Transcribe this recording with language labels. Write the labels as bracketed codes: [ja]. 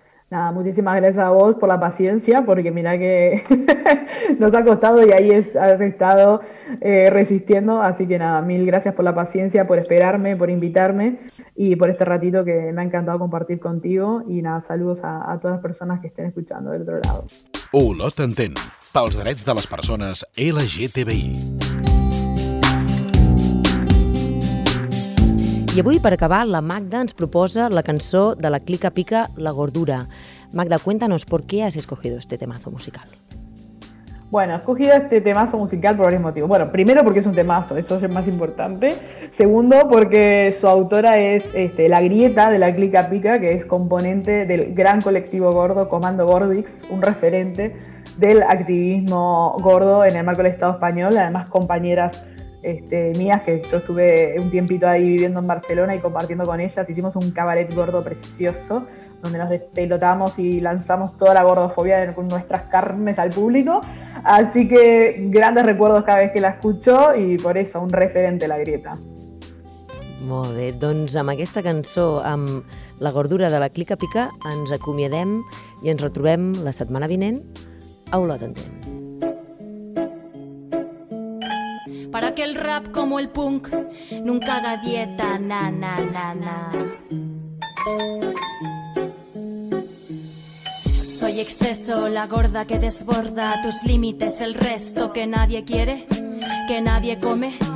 [es] Nada, muchísimas gracias a vos por la paciencia, porque mira que nos ha costado y ahí has estado resistiendo. Así que nada, mil gracias por la paciencia, por esperarme, por invitarme y por este ratito que me ha encantado compartir contigo. Y nada, saludos a todas las personas que estén escuchando del otro lado. [ca] Olot Entén, pels drets de les persones LGTBI. I avui, per acabar, la Magda ens proposa la cançó de la Clica Pica, La Gordura. [es] Magda, cuéntanos por qué has escogido este temazo musical. Bueno, he escogido este temazo musical por varios motivos. Bueno, primero porque es un temazo, eso es el más importante. Segundo, porque su autora es La Grieta de la Clica Pica, que es componente del gran colectivo gordo Comando Gordix, un referente del activismo gordo en el marco del Estado español, además compañeras mías, que yo estuve un tiempito ahí viviendo en Barcelona y compartiendo con ellas. Hicimos un cabaret gordo precioso donde nos despelotamos y lanzamos toda la gordofobia de nuestras carnes al público, así que grandes recuerdos cada vez que la escucho y por eso un referente a La Grieta. [ca] Molt bé, doncs amb aquesta cançó, amb La Gordura de la Clica Pica, ens acomiadem i ens retrobem la setmana vinent a Olot Entén. [es] Para que el rap como el punk nunca haga dieta, na, na, na, na. Soy exceso, la gorda que desborda tus límites, el resto que nadie quiere, que nadie come.